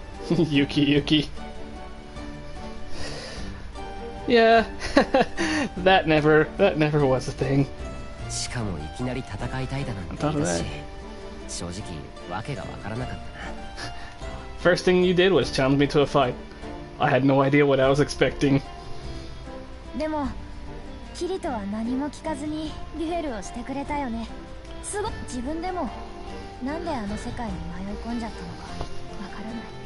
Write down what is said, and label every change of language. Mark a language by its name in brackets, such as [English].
[English] Yuki, Yuki. Yeah, that never was a thing. [Japanese] しかもいきなり戦いたいだなんて言ったし、正直わけがわからなかったな。 [English] First thing you did was challenge me to a fight. I had no idea what I was expecting. [Japanese] でも。キリトは何も聞かずにデュエルをしてくれたよね。すごい。自分でもなんであの世界に迷い込んじゃったのかわからない。